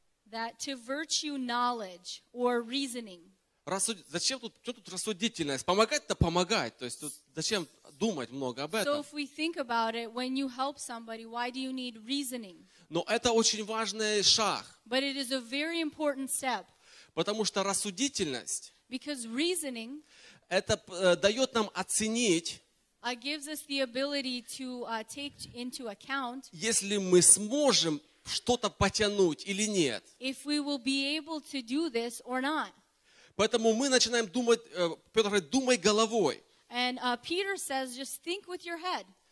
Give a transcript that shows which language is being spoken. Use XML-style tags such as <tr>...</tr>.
<en>That to virtue knowledge or reasoning.</en> <ru>Зачем тут, что тут рассудительность? Помогать-то помогать. То есть тут зачем думать много об этом?</ru> <en>So if we think about it, when you help somebody, why do you need reasoning?</en> <ru>Но это очень важный шаг.</ru> <en>But it is a very important step.</en> <ru>Потому что рассудительность.</ru> <en>Because reasoning.</en> <ru>Это дает нам оценить.</ru> <en>Gives us the ability to take into account.</en> <ru>Если мы сможем что-то потянуть или нет.</ru> <en>If we will be able to do this or not.</en> <ru>Поэтому мы начинаем думать. Петр говорит, думай головой.</ru> <en>And Peter says, just think with your head.</en>